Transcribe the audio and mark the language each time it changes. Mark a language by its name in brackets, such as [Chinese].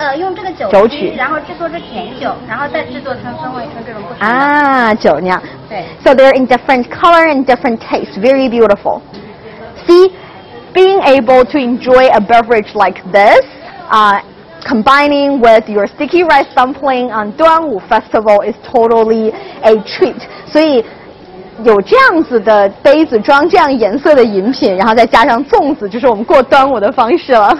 [Chinese] 用这个酒曲，然后制作的甜酒，然后再制作成各种不同的酒酿。对。 [English] So they're in different color and different taste, very beautiful. See, being able to enjoy a beverage like this, combining with your sticky rice dumpling on Duanwu Festival is totally a treat. [Chinese] 所以有这样子的杯子装这样颜色的饮品，然后再加上粽子，就是我们过端午的方式了。